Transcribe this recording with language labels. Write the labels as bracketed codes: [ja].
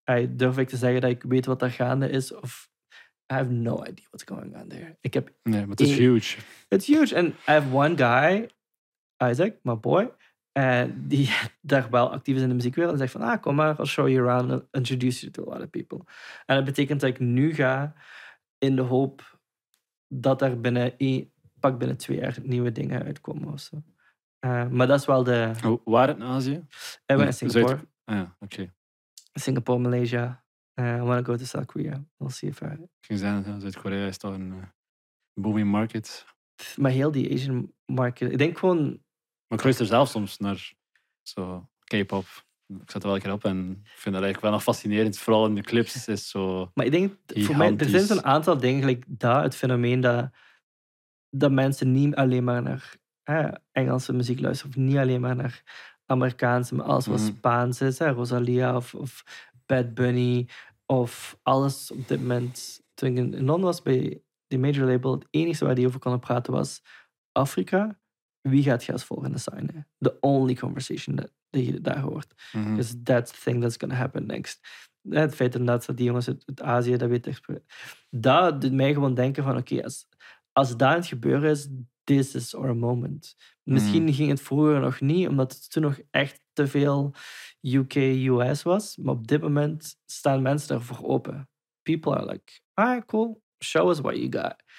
[nl] Durf ik te zeggen dat ik weet wat daar gaande is? Of [en] I have no idea what's going on there. [nl] Ik heb nee, maar het is huge. [en] It's huge. And I have one guy, Isaac, my boy, [nl] die daar wel actief is in de muziekwereld. En zegt van, kom maar, [en] I'll show you around. I'll introduce you to a lot of people. [nl] En dat betekent dat ik nu ga in de hoop dat er binnen binnen 2 jaar nieuwe dingen uitkomen of zo. Maar dat is wel de... Oh, waar in Azië? Ik ben in Singapore. Zuid... Ah, oké. [en] Okay. Singapore, Malaysia. I want to go to South Korea. We'll see if I... [nl] Ik ging zeggen, Zuid-Korea is toch een booming market. Maar heel die Asian market. Ik denk gewoon... Maar ik kruis er zelf soms naar zo K-pop. Ik zat er wel een keer op en ik vind dat eigenlijk wel nog fascinerend. Vooral in de clips is zo... Maar ik denk, gigantisch. Voor mij, er zijn zo'n aantal dingen. Like dat, het fenomeen dat mensen niet alleen maar naar... Engelse muziek luisteren, of niet alleen maar naar Amerikaanse, maar alles wat Spaans is, hè? Rosalia of Bad Bunny, of alles op dit moment. Toen ik in Londen was bij de major label, het enige waar die over konden praten was Afrika, wie gaat je als volgende signen? [en] The only conversation [nl] dat je daar hoort. [en] Because that's the thing that's gonna happen next. [nl] Het feit inderdaad dat die jongens uit Azië dat weet echt. Dat doet mij gewoon denken van, oké, als dat aan het gebeuren is, [en] this is our moment. [nl] Misschien ging het vroeger nog niet, omdat het toen nog echt te veel UK, US was. Maar op dit moment staan mensen daarvoor open. [en] People are like, ah, cool. Show us what you got.